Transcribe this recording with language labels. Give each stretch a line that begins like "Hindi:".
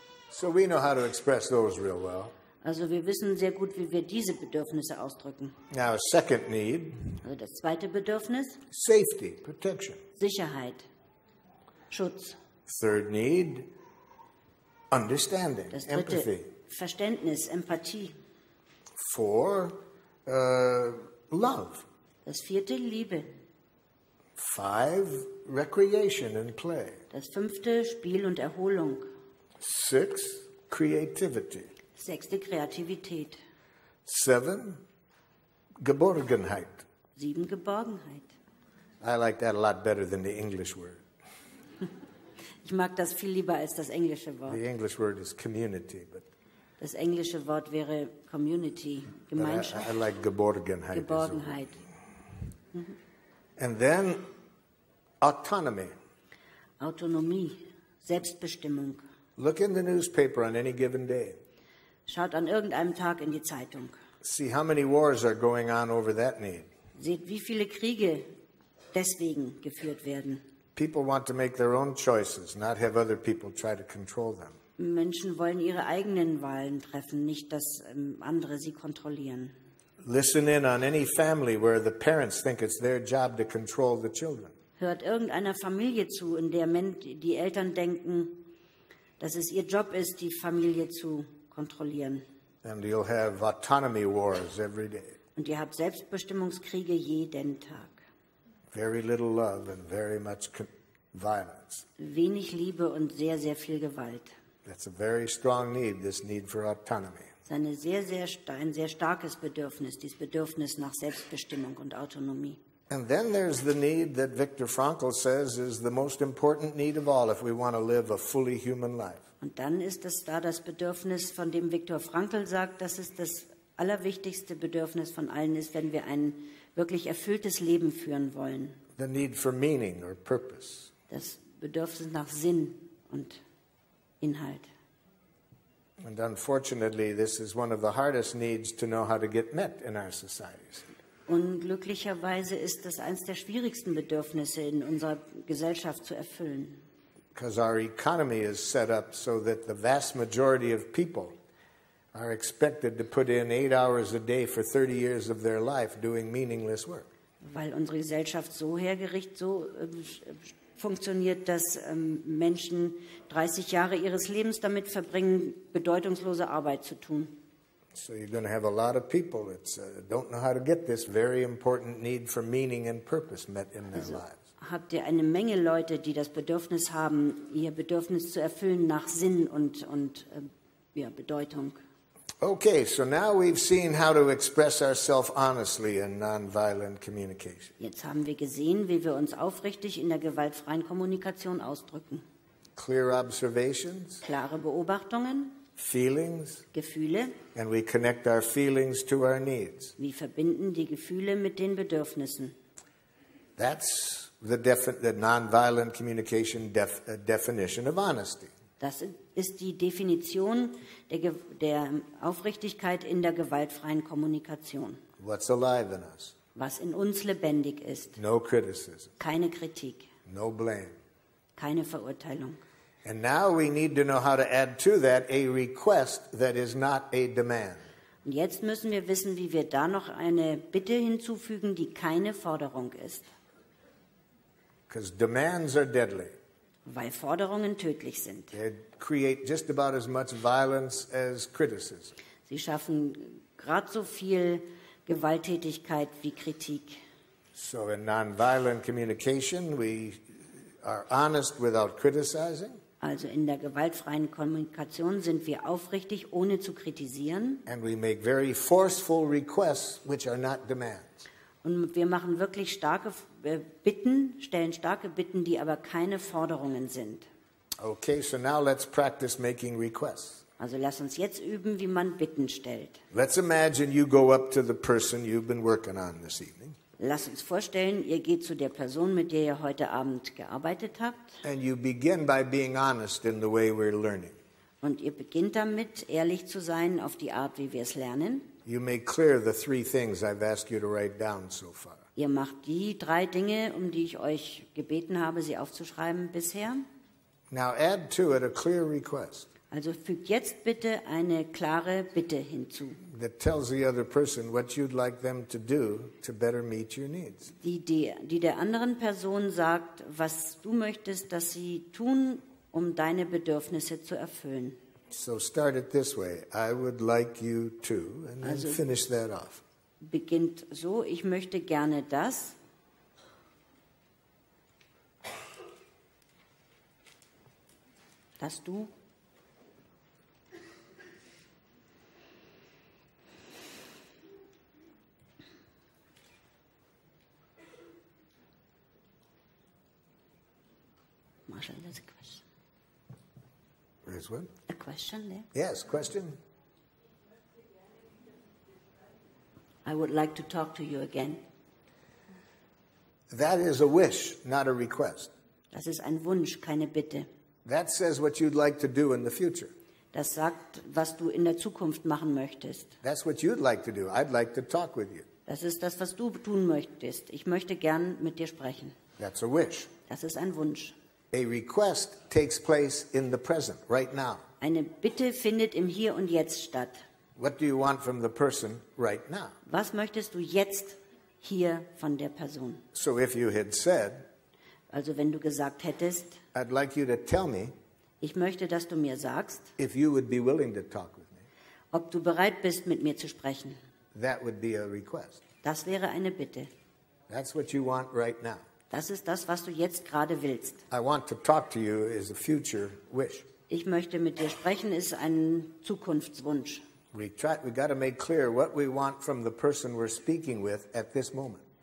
English: So we know how to express those real well.
German: Also wir wissen sehr gut, wie wir diese Bedürfnisse ausdrücken.
English: Now, second need,
German: also das zweite Bedürfnis.
English: Safety, protection.
German: Sicherheit, Schutz.
English: Third need, understanding,
German: das dritte,
English: empathy.
German: Verständnis, Empathie.
English: Four, love.
German: Das vierte, Liebe.
English: Five, recreation and play.
German: Das fünfte, Spiel und Erholung.
English: Six, creativity.
German: Sechste, Kreativität.
English: Seven, Geborgenheit.
German: Sieben, Geborgenheit.
English: I like that a lot better than the English word.
German: Ich mag das viel lieber als das englische Wort.
English: The English word is community, but
German: das englische Wort wäre Community, Gemeinschaft.
English: I like Geborgenheit.
German: Geborgenheit.
English: And then autonomy.
German: Autonomie, Selbstbestimmung.
English: Look in the newspaper on any given day.
German: Schaut an irgendeinem Tag in die Zeitung.
English: See how many wars are going on over that need.
German: Seht, wie viele Kriege deswegen geführt werden.
English: People want to make their own choices, not have other people try to control them.
German: Menschen wollen ihre eigenen Wahlen treffen, nicht dass andere sie kontrollieren.
English: Listen in on any family where the parents think it's their job to control the children.
German: Hört irgendeiner Familie zu, in der die Eltern denken, dass es ihr Job ist, die Familie zu kontrollieren.
English: And you'll have autonomy wars every day.
German: Und ihr habt Selbstbestimmungskriege jeden Tag.
English: Very little love and very much violence.
German: Wenig Liebe und sehr, sehr viel Gewalt.
English: That's a very strong need, this need for autonomy.
German: Ein sehr starkes Bedürfnis, dieses Bedürfnis nach Selbstbestimmung und Autonomie.
English: And then there's the need that Viktor Frankl says is the most important need of all if we want to live a fully human life.
German: Und dann ist es da das Bedürfnis, von dem Viktor Frankl sagt, dass es das allerwichtigste Bedürfnis von allen ist, wenn wir ein wirklich erfülltes Leben führen wollen.
English: The need for meaning or purpose.
German: Das Bedürfnis nach Sinn und Inhalt.
English: And unfortunately, this is one of the hardest needs to know how to get met in our societies.
German: Und glücklicherweise ist das eins der schwierigsten Bedürfnisse in unserer Gesellschaft zu erfüllen.
English: Because our economy is set up so that the vast majority of people are expected to put in 8 hours a day for 30 years of their life doing meaningless work.
German: Weil unsere Gesellschaft so hergerichtet, so funktioniert, dass Menschen 30 Jahre ihres Lebens damit verbringen, bedeutungslose Arbeit zu tun.
English: So you're going to have a lot of people that don't know how to get this very important need for meaning and purpose met in their lives.
German: Habt ihr eine Menge Leute, die das Bedürfnis haben, ihr Bedürfnis zu erfüllen nach Sinn und Bedeutung.
English: Okay, so now we've seen how to express ourselves honestly in nonviolent communication.
German: Jetzt haben wir gesehen, wie wir uns aufrichtig in der gewaltfreien Kommunikation ausdrücken.
English: Clear observations.
German: Klare Beobachtungen.
English: Feelings.
German: Gefühle.
English: And we connect our feelings to our needs.
German: Wir verbinden die Gefühle mit den Bedürfnissen.
English: That's the nonviolent communication definition of honesty.
German: Das ist die Definition der Aufrichtigkeit in der gewaltfreien Kommunikation.
English: What's alive in us?
German: Was in uns lebendig ist.
English: No criticism.
German: Keine Kritik.
English: No blame.
German: Keine Verurteilung.
English: And now we need to know how to add to that a request that is not a demand.
German: Und jetzt müssen wir wissen, wie wir da noch eine Bitte hinzufügen, die keine Forderung ist.
English: Because demands are deadly.
German: Weil Forderungen tödlich sind.
English: They create just about as much violence as criticism.
German: Sie schaffen gerade so viel Gewalttätigkeit wie Kritik.
English: So in nonviolent communication we are honest without criticizing.
German: Also in der gewaltfreien Kommunikation sind wir aufrichtig, ohne zu kritisieren.
English: And we make very forceful requests, which are not demands.
German: Und wir machen wirklich starke Bitten, stellen starke Bitten, die aber keine Forderungen sind.
English: Okay, so now let's practice making requests.
German: Also lass uns jetzt üben, wie man Bitten stellt.
English: Let's imagine you go up to the person you've been working on this evening.
German: Lass uns vorstellen, ihr geht zu der Person, mit der ihr heute Abend gearbeitet habt.
English: And you begin by being honest in the way we're learning.
German: Und ihr beginnt damit, ehrlich zu sein auf die Art, wie wir es lernen.
English: You make clear the three things I've asked you to write down so far.
German: Ihr macht die drei Dinge, um die ich euch gebeten habe, sie aufzuschreiben bisher.
English: Now add to it a clear request.
German: Also fügt jetzt bitte eine klare Bitte hinzu.
English: That tells the other person what you'd like them to do to better meet your needs.
German: Die der anderen Person sagt, was du möchtest, dass sie tun, um deine Bedürfnisse zu erfüllen.
English: So start it this way. I would like you to, and then finish that off.
German: Beginnt so, ich möchte gerne das. Dass du.
English: Marshall, there's a question. There's what? A question there. Yes, question. I would like to talk to you again. That is a wish, not a request.
German: Das ist ein Wunsch, keine Bitte.
English: That says what you'd like to do in the future.
German: Das sagt, was du in der Zukunft machen möchtest.
English: That's what you'd like to do. I'd like to talk with you.
German: Das ist das, was du tun möchtest. Ich möchte gern mit dir sprechen.
English: That's a wish.
German: Das ist ein Wunsch.
English: A request takes place in the present, right now.
German: Eine Bitte findet im Hier und Jetzt statt.
English: What do you want from the person right now?
German: Was möchtest du jetzt hier von der Person?
English: So if you had said,
German: also wenn du gesagt hättest,
English: I'd like you to tell me,
German: ich möchte, dass du mir sagst,
English: if you would be willing to talk with me,
German: ob du bereit bist, mit mir zu sprechen.
English: That would be a request.
German: Das wäre eine Bitte.
English: That's what you want right now.
German: Das ist das, was du jetzt gerade willst.
English: I want to talk to you is a future wish.
German: Ich möchte mit dir sprechen, ist ein Zukunftswunsch.
English: We got to make clear what we want from the person we're speaking with at this moment.